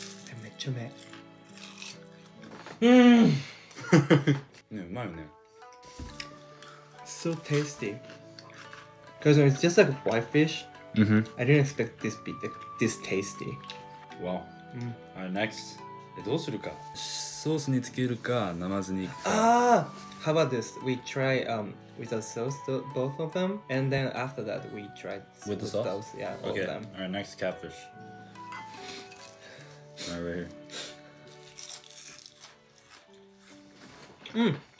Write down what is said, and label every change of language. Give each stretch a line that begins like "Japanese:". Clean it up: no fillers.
English: And mecha me. Mmm! Yeah, so tasty. Because it's just like white fish. Mm-hmm. I didn't expect this to be this tasty. Wow. Mm. Alright, next.
Japanese: どうするか? ソースにつけるか, 生酢にいくか?
English: Ah! How about this? We try with the sauce, both of them, and then after that, we try with the sauce. Those, yeah, okay. Both of them. Alright, next catfish. Alright, right here. Mmm.